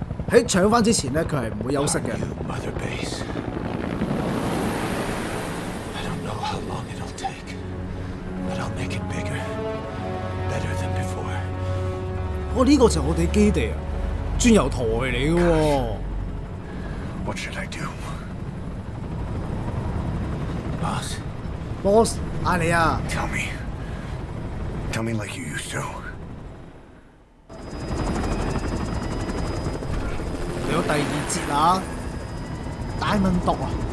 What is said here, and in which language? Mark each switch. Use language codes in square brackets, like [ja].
[yue] 喺抢翻之前咧，佢系唔会休息嘅。 [en] Mother Base. I don't know how long it'll take, but I'll make it bigger, better than before. [yue] 哦，呢个就系我哋基地啊，转油台嚟嘅。 [en] What should I do? boss. [yue] Boss, 嗌你啊。 [en] Tell me. Tell me like you used to. [yue] 嚟到第二节啦，戴文毒啊！